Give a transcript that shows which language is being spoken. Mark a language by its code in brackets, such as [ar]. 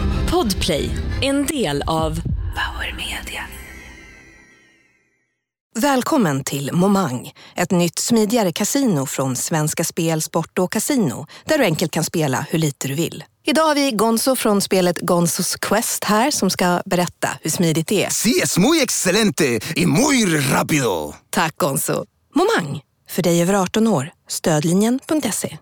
[sv] Podplay, en del av Power Media. Välkommen till Momang, ett nytt smidigare kasino från Svenska Spel, Sport och Casino, där du enkelt kan spela hur lite du vill. Idag har vi Gonzo från spelet Gonzos Quest här som ska berätta hur smidigt det är. [es] Sí, es muy excelente y muy rápido. [sv] Tack Gonzo. Momang, för dig över 18 år, stödlinjen.se.